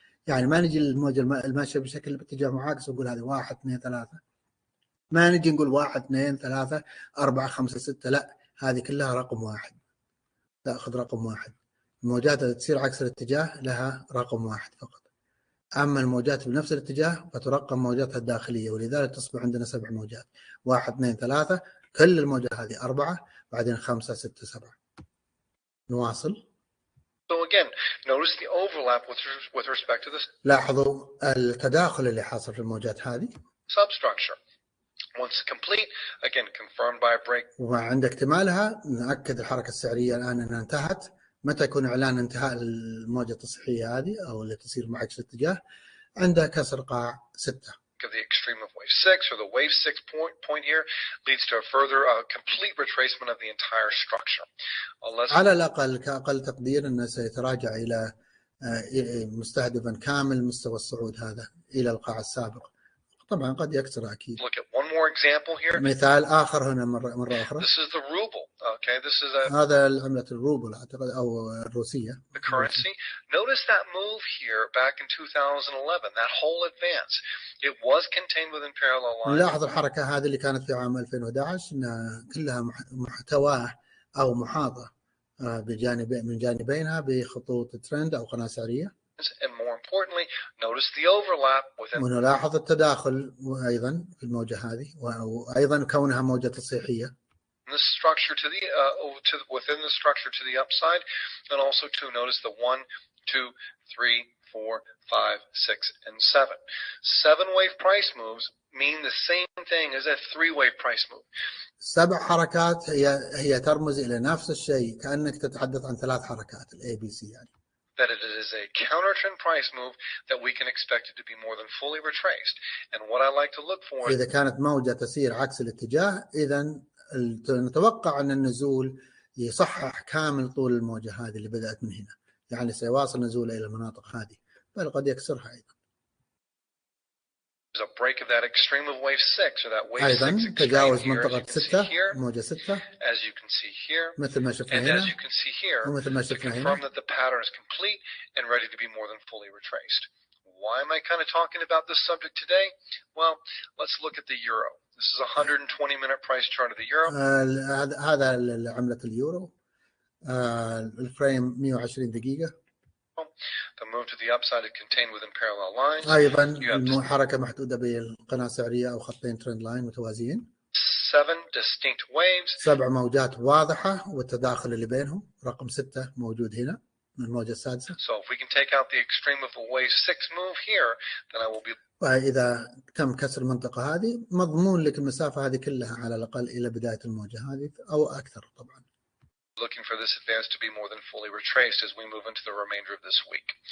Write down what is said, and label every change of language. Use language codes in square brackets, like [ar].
[ar] يعني ما نجي للموجه الماشيه بشكل باتجاه معاكس ونقول هذه 1 2 3، ما نجي نقول 1 2 3 4 5 6، لا، هذه كلها رقم واحد، تاخذ رقم واحد. الموجات اللي تسير عكس الاتجاه لها رقم واحد فقط، اما الموجات بنفس الاتجاه فترقم موجاتها الداخليه، ولذلك تصبح عندنا سبع موجات، 1 2 3 كل الموجة هذه، أربعة بعدين خمسة ستة سبعة. نواصل. [en] So again, notice the overlap with respect to this. [ar] لاحظوا التداخل اللي حاصل في الموجات هذه. [en] Substructure. Once complete, again confirmed by a break. [ar] وعند اكتمالها نأكد الحركة السعرية الآن أنها انتهت. متى يكون إعلان انتهاء الموجة التصحيحية هذه أو اللي تصير معكس الاتجاه؟ عندها كسر قاع ستة. [en] Of the extreme of wave 6 or the wave 6 point here leads to a further complete retracement of the entire structure. [ar] على الأقل كأقل تقدير أنه سيتراجع إلى مستهدفا كامل مستوى الصعود هذا إلى القاع السابق. طبعا قد يكسر أكيد. [en] Look at one more example here. [ar] مثال آخر هنا مرة أخرى. [en] This is the ruble. Okay, this is [ar] هذا العملة الروبل أعتقد أو الروسية. [en] The currency. Notice that move here back in 2011. That whole advance. It was contained within parallel lines. [ar] نلاحظ الحركة هذه اللي كانت في عام 2011 إن كلها محتوى أو محاضة بجانب من جانبينها بخطوط ترند أو قناة سعرية. [en] And more importantly, notice the overlap within. [ar] ونلاحظ التداخل أيضا في الموجة هذه وأيضا كونها موجة تصحيحية. [en] The structure to the to within the structure to the upside, and also to notice the 1, 2, 3, 4, 5, 6, and 7. Seven wave price moves mean the same thing as a three wave price move. [ar] سبع حركات هي ترمز إلى نفس الشيء، كأنك تتحدث عن ثلاث حركات الـ ABC يعني. [en] That it is a countertrend price move that we can expect it to be more than fully retraced. And what I like to look for. [ar] إذا كانت موجة تسير عكس الاتجاه، إذن نتوقع أن النزول يصحح كامل طول الموجة هذه اللي بدأت من هنا، يعني سيواصل نزولها إلى المناطق هذه، بل قد يكسرها أيضا. [en] There's a break of that extreme of wave 6 or that wave 6 [ar] أيضاً تجاوز منطقة [en] here, [ar] 6 موجة 6 [en] as you can see here, [ar] مثل ما شفنا [en] and [ar] هنا [en] as you can see here, [ar] ومثل ما شفنا هنا [en] confirm that the pattern is complete and ready to be more than fully retraced. Why am I kind of talking about this subject today? Well, let's look at the euro. This is a 120 minute price chart of the euro. [ar] هذا عملة اليورو. الفريم 120 دقيقة. [en] The move to the upside is contained within parallel lines. [ar] أيضا الحركة محدودة بالقناة السعرية أو خطين ترند لاين متوازيين. [en] Seven distinct waves. [ar] سبع موجات واضحة والتداخل اللي بينهم، رقم ستة موجود هنا من الموجة السادسة. [en] So if we can take out the extreme of a wave six move here, then I will be. [ar] وإذا تم كسر المنطقة هذه مضمون لك المسافة هذه كلها على الأقل إلى بداية الموجة هذه أو أكثر طبعا. [en] Looking for this advance to be more than fully retraced as we move into the remainder of this week.